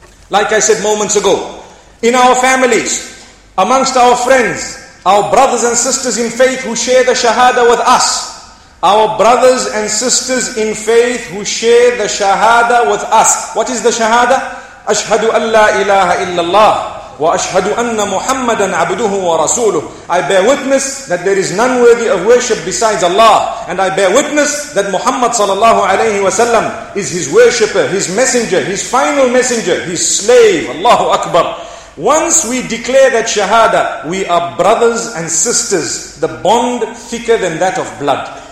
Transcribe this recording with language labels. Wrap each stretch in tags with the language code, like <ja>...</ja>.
<en>Like I said moments ago, in our families, amongst our friends, our brothers and sisters in faith who share the shahada with us, our brothers and sisters in faith who share the shahada with us. What is the shahada?</en> <ar>Ashhadu an la ilaha illallah. وأشهد أن محمدا عبده ورسوله.</ar> <en>I bear witness that there is none worthy of worship besides Allah, and I bear witness that Muhammad sallallahu alayhi wasallam is his worshipper, his messenger, his final messenger, his slave. Allahu Akbar. Once we declare that shahada, we are brothers and sisters, the bond thicker than that of blood.</en>